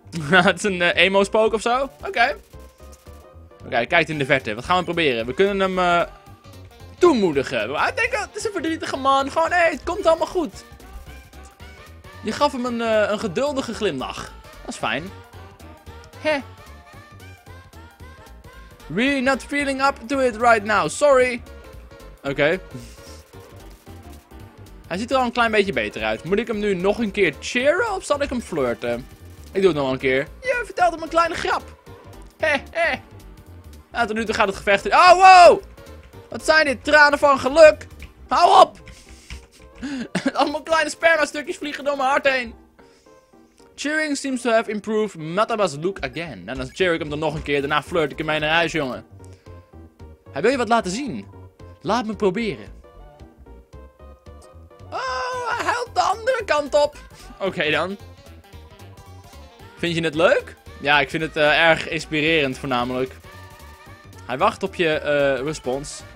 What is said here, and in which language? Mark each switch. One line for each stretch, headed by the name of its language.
Dutch: Het is een emo spook of zo? Oké. Oké, kijk in de verte. Wat gaan we proberen? We kunnen hem toemoedigen. Ik denk, het is een verdrietige man. Gewoon, hé, het komt allemaal goed. Je gaf hem een geduldige glimlach. Dat is fijn. Hé.
English: We're not feeling up to it right now.
Dutch: Sorry. Oké. Hij ziet er al een klein beetje beter uit. Moet ik hem nu nog een keer cheeren of zal ik hem flirten? Ik doe het nog een keer. Je vertelt hem een kleine grap. Hé. En tot nu toe gaat het gevecht in. Oh, wow! Wat zijn dit? Tranen van geluk! Hou op! Allemaal kleine sperma-stukjes vliegen door mijn hart heen.
English: Cheering seems to have improved Mataba's look again.
Dutch: En dan cheer ik hem dan nog een keer. Daarna flirt ik hem mee naar huis, jongen. Hij wil je wat laten zien. Laat me proberen. Oh, hij huilt de andere kant op. Oké, dan. Vind je het leuk? Ja, ik vind het erg inspirerend voornamelijk. Hij wacht op je respons.